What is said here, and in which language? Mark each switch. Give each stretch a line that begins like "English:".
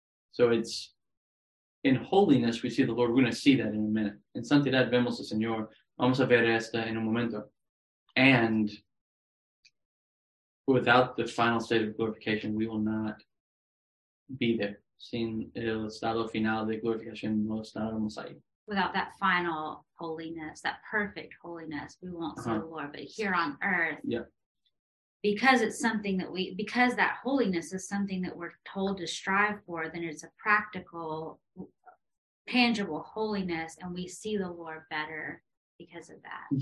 English: So it's in holiness we see the Lord. We're going to see that in a minute.
Spanish: En santidad vemos al Señor. Vamos a ver esta en un momento.
English: And without the final state of glorification, we will not be there.
Spanish: Sin el estado final de glorificación, no estaremos ahí.
English: Without that final holiness, that perfect holiness, we won't see the Lord. But here on earth, because it's something that because that holiness is something that we're told to strive for, then it's a practical, tangible holiness, and we see the Lord better because of that.